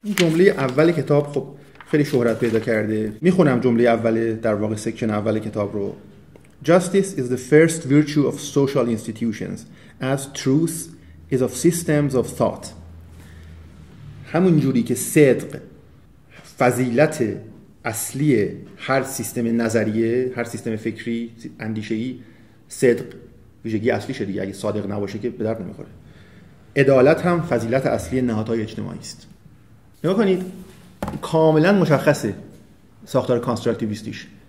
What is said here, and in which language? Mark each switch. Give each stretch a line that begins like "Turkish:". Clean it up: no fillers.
Persian: این جمله اول کتاب خب خیلی شهرت پیدا کرده. میخونم جمله اول، در واقع سکشن اول کتاب رو.
English: Justice is the first virtue of social institutions as truth is of systems of thought.
Persian: همون جوری که صدق فضیلت اصلی هر سیستم نظریه، هر سیستم فکری، اندیشه‌ای، صدق ویژگی اصلیشه دیگه، اگه صادق نباشه که به درد نمیخوره. عدالت هم فضیلت اصلی نهادهای اجتماعی است. نگاه کنید، کاملا مشخصه ساختار کانستراکتیویستیش.